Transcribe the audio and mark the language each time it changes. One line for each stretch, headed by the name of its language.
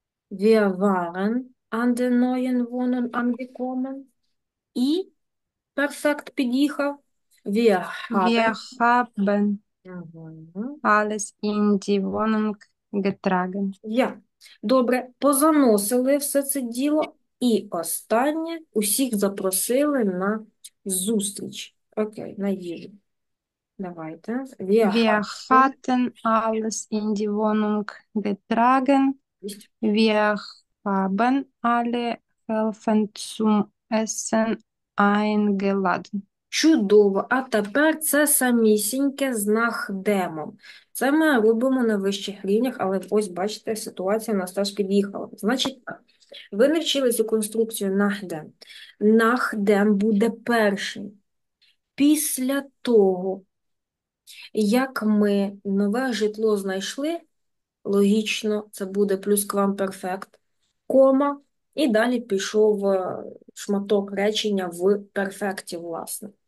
German: Wir waren an der neuen Wohnung angekommen.
Ukrainian: І перфект під'їхав.
German: Wir haben. Wir haben Jawohl. alles in die Wohnung getragen. Ja,
Ukrainian: добре, позаносили все це діло. І останнє, усіх запросили на зустріч. Окей, на їжу. Давайте.
German: Wir Wir haben. hatten alles in die Wohnung getragen. Ist. Wir haben alle Helfen zum Essen eingeladen.
Ukrainian: Чудово. А тепер це самісіньке з нахдемом. Це ми робимо на вищих рівнях, але ось бачите, ситуація у нас теж під'їхала. Значить, ви навчили цю конструкцію нахдем. Нахдем буде першим. Після того, як ми нове житло знайшли, логічно, це буде плюсквамперфект, кома, і далі пішов шматок речення в перфекті, власне.